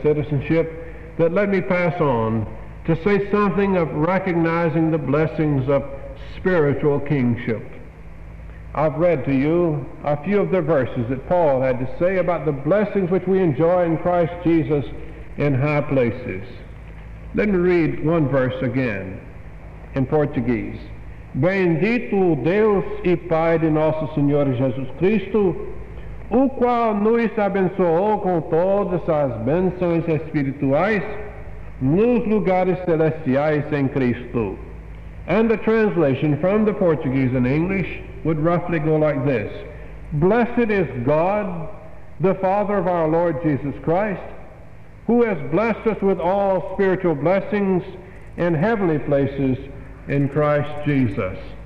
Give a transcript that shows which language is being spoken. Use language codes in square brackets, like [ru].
[en] citizenship that let me pass on to say something of recognizing the blessings of spiritual kingship. I've read to you a few of the verses that Paul had to say about the blessings which we enjoy in Christ Jesus in high places. Let me read one verse again in Portuguese. [pt] Bendito Deus e Pai de nosso Senhor Jesus Cristo, o qual nos abençoou com todas as bênçãos espirituais nos lugares celestiais em Cristo. [en] And the translation from the Portuguese and English would roughly go like this. Blessed is God, the Father of our Lord Jesus Christ, who has blessed us with all spiritual blessings in heavenly places in Christ Jesus.